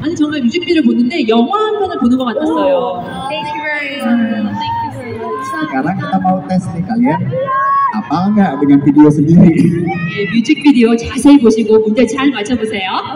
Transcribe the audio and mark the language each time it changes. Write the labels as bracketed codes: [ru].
[ko] 아니 정말 뮤직비디오를 보는데 영화 한 편을 보는 것 같았어요. [en] Thank you very much. [id] Sekarang kita mau tes nih kalian. Apa enggak dengan video sendiri? [ko] 예, 뮤직비디오 자세히 보시고 문제 잘 맞춰 보세요.